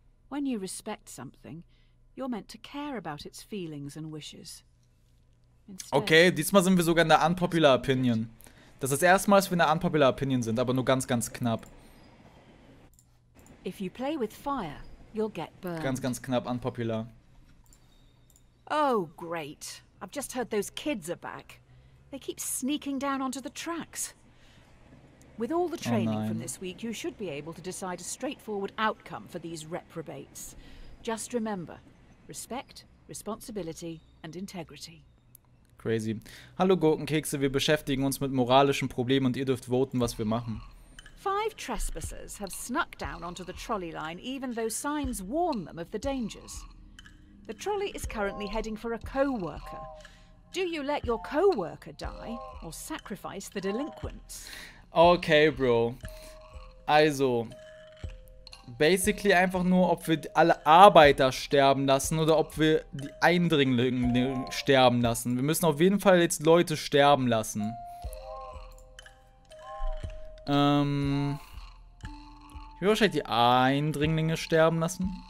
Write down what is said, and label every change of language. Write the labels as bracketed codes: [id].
[en] When you respect something, you're meant to care about its feelings and wishes. [de] Okay, diesmal sind wir sogar in der unpopular opinion. Das ist das erste Mal, dass wir in der unpopular opinion sind, aber nur ganz, ganz knapp. [en] If you play with fire, you'll get burned. [de] Ganz, ganz knapp, unpopular. [en] Oh, great. I've just heard those kids are back. They keep sneaking down onto the tracks. With all the training from this week, you should be able to decide a straightforward outcome for these reprobates. Just remember, respect, responsibility and integrity. Crazy. [de] Hallo Gurkenkekse, wir beschäftigen uns mit moralischen Problemen und ihr dürft voten, was wir machen. [en] 5 trespassers have snuck down onto the trolley line, even though signs warn them of the dangers. The trolley is currently heading for a co-worker. Do you let your co-worker die or sacrifice the delinquents? Okay, Bro. [de] Also, basically einfach nur, ob wir alle Arbeiter sterben lassen oder ob wir die Eindringlinge sterben lassen. Wir müssen auf jeden Fall jetzt Leute sterben lassen. Ich will wahrscheinlich die Eindringlinge sterben lassen.